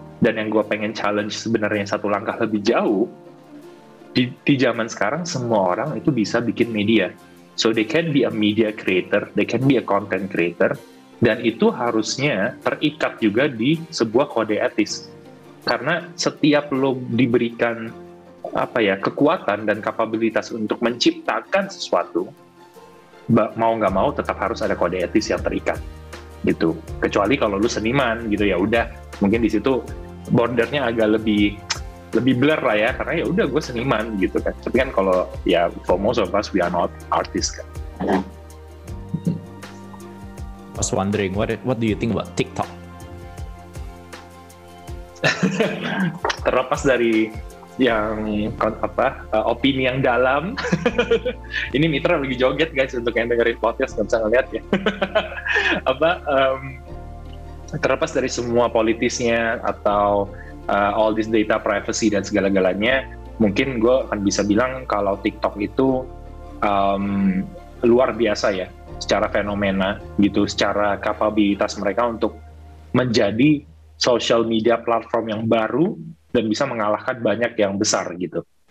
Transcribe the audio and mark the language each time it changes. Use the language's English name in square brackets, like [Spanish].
[Indonesian] Dan yang gue pengen challenge sebenarnya satu langkah lebih jauh di zaman sekarang, semua orang itu bisa bikin media, [English] so they can be a media creator, they can be a content creator, [Indonesian] dan itu harusnya terikat juga di sebuah kode etis karena setiap lo diberikan kekuatan dan kapabilitas untuk menciptakan sesuatu, mau nggak mau tetap harus ada kode etis yang terikat gitu. Kecuali kalau lu seniman gitu, ya udah mungkin di situ bordernya agak lebih blur lah ya, karena ya udah gue seniman gitu kan. Tapi kan kalau ya [English] for most of us we are not artists kan. I was wondering what do you think about TikTok? [Indonesian] Terlepas dari yang apa opini yang dalam, ini Mitra lagi joget guys untuk yang dengerin podcast nggak bisa ngeliat ya. terlepas dari semua politisnya atau [English] all this data privacy [Indonesian] dan segala-galanya, mungkin gue akan bisa bilang kalau TikTok itu luar biasa ya, secara fenomena gitu, secara kapabilitas mereka untuk menjadi social media platform yang baru dan bisa mengalahkan banyak yang besar gitu.